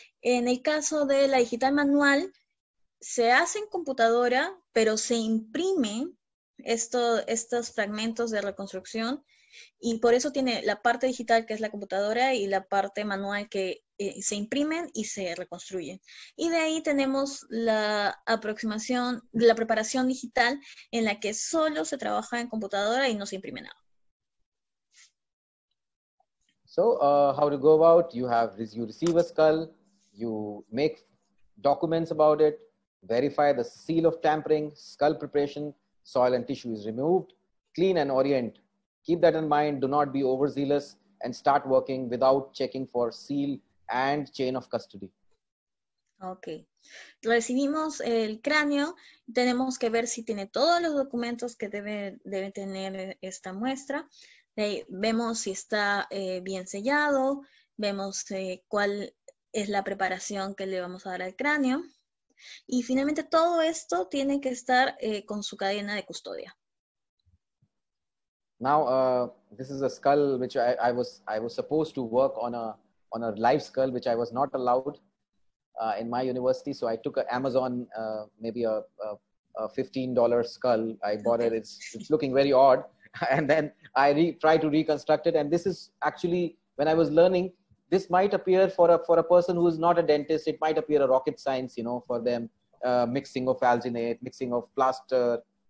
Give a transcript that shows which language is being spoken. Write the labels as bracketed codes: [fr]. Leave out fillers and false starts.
[es] En el caso de la digital manual, se hace en computadora, pero se imprime estos fragmentos de reconstrucción, y por eso tiene la parte digital que es la computadora y la parte manual que se imprimen y se reconstruyen. Y de ahí tenemos la aproximación, la preparación digital en la que solo se trabaja en computadora y no se imprime nada. [en] So, how to go about? You receive a skull, you make documents about it, verify the seal of tampering, skull preparation, soil and tissue is removed, clean and orient. Keep that in mind, do not be overzealous and start working without checking for seal and chain of custody. Okay. [es] Recibimos el cráneo, tenemos que ver si tiene todos los documentos que debe tener esta muestra. Vemos si está bien sellado, vemos cuál es la preparación que le vamos a dar al cráneo. Y finalmente todo esto tiene que estar con su cadena de custodia. [en] Now, this is a skull which I was supposed to work on a live skull which I was not allowed in my university. So I took an Amazon, maybe a $15 skull. I bought it. It's looking very odd. And then I tried to reconstruct it. And this is actually, when I was learning, this might appear for a person who is not a dentist, it might appear a rocket science, you know, for them, mixing of alginate, mixing of plaster.